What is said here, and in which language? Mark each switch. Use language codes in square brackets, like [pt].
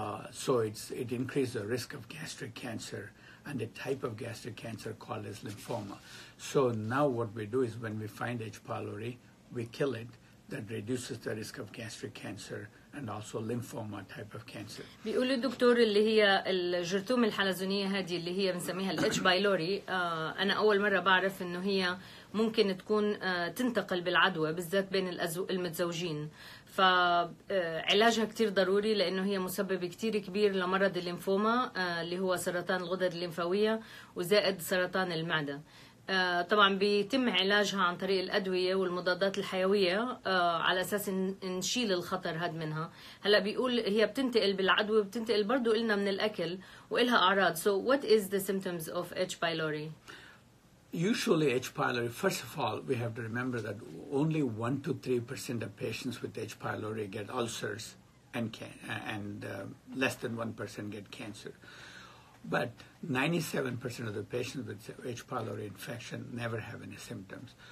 [en] So it increases the risk of gastric cancer and a type of gastric cancer called as lymphoma. So now what we do is when we find H. pylori, we kill it. That reduces the risk of gastric cancer and also lymphoma type of cancer. [ar] بيقول الدكتور اللي هي الجرثومة الحلزونية هذه اللي هي بنسميها H. pylori. أنا أول مرة بعرف إنه هي ممكن تكون تنتقل بالعدوى بالذات بين المتزوجين. فعلاجها كتير ضروري لأنه هي مسبب كتير كبير لمرض الليمفوما اللي هو سرطان الغدد الليمفاوية وزائد سرطان المعدة. طبعا بيتم علاجها عن طريق الأدوية والمضادات الحيوية على أساس نشيل الخطر هاد منها. هلا بيقول هي بتنتقل بالعدوى وبتنتقل برضو إلنا من الأكل وإلها أعراض. [en] So what is the symptoms of H. pylori? Usually H. pylori, first of all, we have to remember that only 1-3% of patients with H. pylori get ulcers and less than 1% get cancer. But 97% of the patients with H. pylori infection never have any symptoms.